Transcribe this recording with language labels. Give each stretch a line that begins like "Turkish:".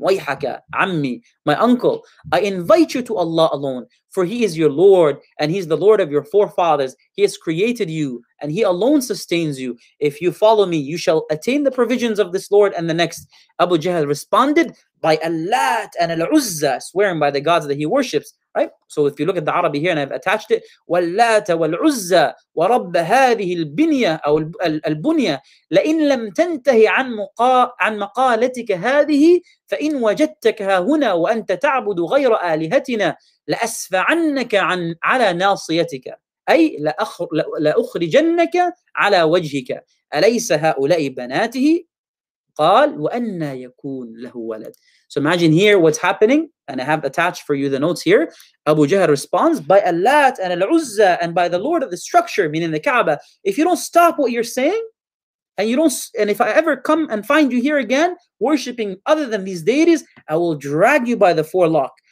English: Wayhaka, ammi, my uncle, I invite you to Allah alone, for he is your Lord, and he's the Lord of your forefathers. He has created you, and he alone sustains you. If you follow me, you shall attain the provisions of this Lord and the next." Abu Jahl responded, "By Allat and Al-Uzza," swearing by the gods that he worships, right? So if you look at the Arabic here, and I've attached it,
Arabic: وَاللَّاتَ وَالْعُزَّى وَرَبَّ هَذِهِ الْبِنْيَةَ أَوْ الْبُنْيَةَ لَإِنْ لَمْ تَنْتَهِ عَنْ مَقَالَتِكَ هَذِهِ فَإِنْ وَجَدْتَكَ هُنَا وَأَنْتَ تَعْبُدُ غَيْرَ آلِهَتِنَا لَأَسْفَعَنَّكَ عَنْ عَلَى نَاصِيَتِكَ أي لَأُخْرِجَنَّكَ عَلَى وَجْهِكَ أَلَيْسَ هَؤُلَاءِ بَنَاتِهِ قال وأن يكون له ولد.
English: So imagine here what's happening, and I have attached for you the notes here. Abu Jahl responds, "By Allat and Al-Uzza, and by the Lord of the structure," meaning the Kaaba, "if you don't stop what you're saying, and if I ever come and find you here again worshiping other than these deities, I will drag you by the forelock.